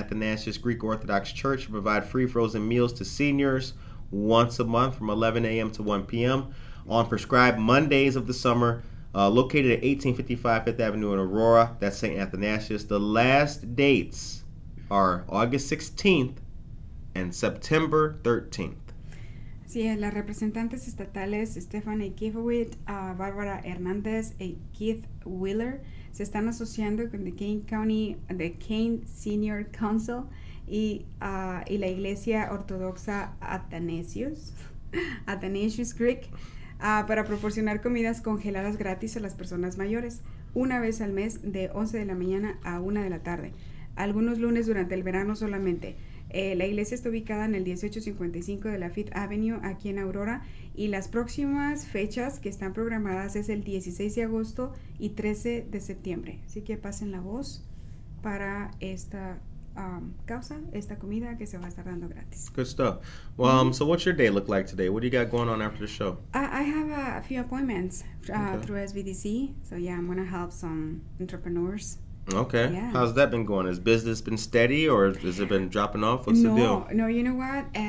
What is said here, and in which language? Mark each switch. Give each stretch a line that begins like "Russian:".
English: Athanasius Greek Orthodox Church to provide free frozen meals to seniors once a month from 11 a.m. to 1 p.m. on prescribed Mondays of the summer, located at 1855 Fifth Avenue in Aurora. That's St. Athanasius. The last dates are August 16th and September 13th.
Spanish: Sí, las representantes estatales Stephanie Kiffwood, Barbara Hernandez y Keith Wheeler se están asociando con the Kane Senior Council y la Iglesia Ortodoxa Athanasius Greek para proporcionar comidas congeladas gratis a las personas mayores una vez al mes de 11 de la mañana a 1 de la tarde, algunos lunes durante el verano solamente. La iglesia está ubicada en el 1855 de la Fifth Avenue aquí en Aurora y las próximas fechas que están programadas es el 16 de agosto y 13 de septiembre. Así que pasen la voz para esta causa, esta comida que se va a estar dando gratis.
English: Good stuff. Well, so what's your day look like today? What do you got going on after the show? I have a few appointments through SBDC, so yeah, I'm going to help some entrepreneurs. Okay. Yeah. How's that been going? Has business been steady or has it been dropping off? What's the deal? No, you know what?